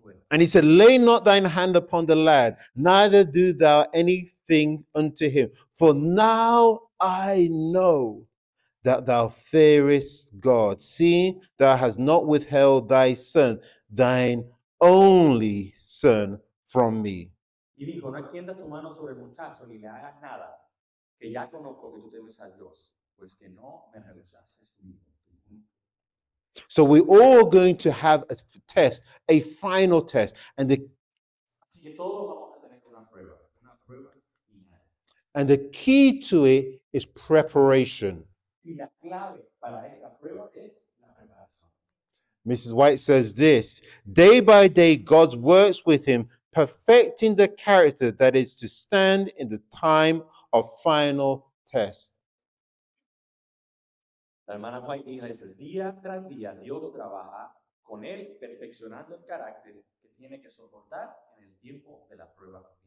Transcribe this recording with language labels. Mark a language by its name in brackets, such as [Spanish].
[English] And he said, lay not thine hand upon the lad, neither do thou anything unto him. For now I know that thou fearest God, seeing thou hast not withheld thy son, thine only son, from me. [Spanish] Y dijo, no extienda tu mano sobre el muchacho ni le hagas nada, que ya conozco que tú temes a Dios, pues que no me rehusases tu hijo. [English] So we're all going to have a test, a final test, and the [Spanish] así que todos vamos a tener una prueba final. [English] And the key to it is preparation. [Spanish] Y la clave para esta prueba es la preparación. [English] Mrs. White says this: day by day, God works with him, perfecting the character that is to stand in the time of final test. [Spanish] La hermana White dice, día tras día, Dios trabaja con él, perfeccionando el carácter que tiene que soportar en el tiempo de la prueba.